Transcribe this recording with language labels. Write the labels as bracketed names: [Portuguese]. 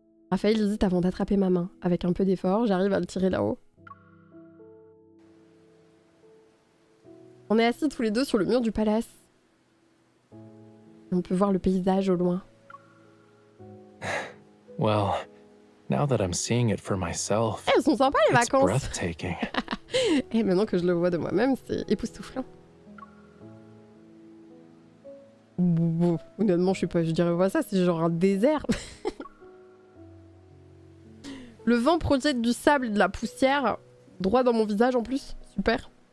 [French] Raphaël hésite avant d'attraper ma main. Avec un peu d'effort, j'arrive à le tirer là-haut. On est assis tous les deux sur le mur du palace. On peut voir le paysage au loin. [English] Well, now that I'm seeing it for myself. [French] Eh, elles sont sympas les vacances. [English] It's breathtaking. [French] Et maintenant que je le vois de moi-même, c'est époustouflant. Honnêtement, je dirais pas ça, c'est genre un désert. Le vent projette du sable et de la poussière droit dans mon visage en plus. Super.